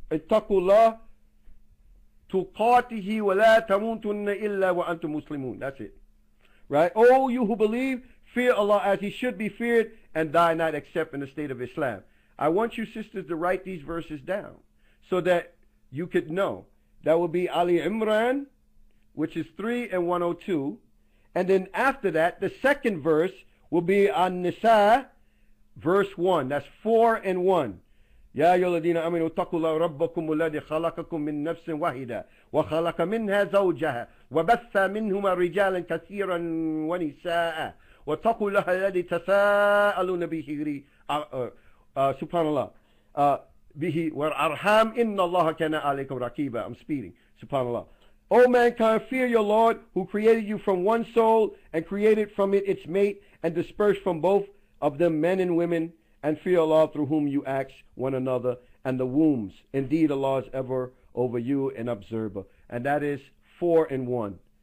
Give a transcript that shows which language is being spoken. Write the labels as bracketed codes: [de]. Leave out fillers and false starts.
[ar] اتقوا الله تقاته ولا تموتن إلا وأنتم مسلمون. [en] That's it, right? Oh, you who believe, fear Allah as he should be feared, and die not except in the state of Islam. I want you sisters to write these verses down so that you could know. That would be Ali Imran, which is 3 and 102, and then after that the second verse will be An-Nisa, verse 1. That's 4 and 1. [ar] يا أيها الذين آمنوا اتقوا الله ربكم الذي خلقكم من نفس واحدة وخلق منها زوجها وبث منهما رجالا كثيرا ونساء واتقوا الله الذي تساءلون به سبحان الله به والأرحام إن الله كان عليكم رقيبا. [en] I'm speeding. [ar] سبحان الله. [en] O mankind, fear your Lord who created you from one soul and created from it its mate and dispersed from both of them men and women. And fear Allah through whom you ask one another and the wombs. Indeed, Allah is ever over you an observer. And that is 4 and 1.